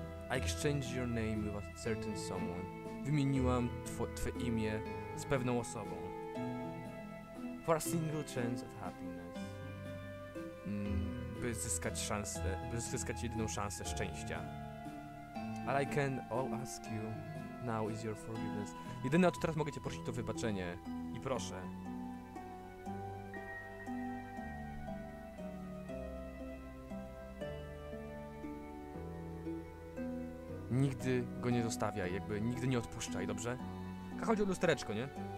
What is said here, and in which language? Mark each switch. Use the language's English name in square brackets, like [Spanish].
[English] I exchanged your name with a certain someone. [Polish] Wymieniłam twoje imię z pewną osobą. [English] For a single chance at happiness. [Polish] By zyskać jedyną szansę szczęścia. [English] All I can all ask you now is your forgiveness. [Polish] Jedyne, o co teraz mogę cię prosić, to wybaczenie. I proszę. Nigdy go nie zostawiaj, jakby nigdy nie odpuszczaj, dobrze? Chodzi o lustereczko, nie?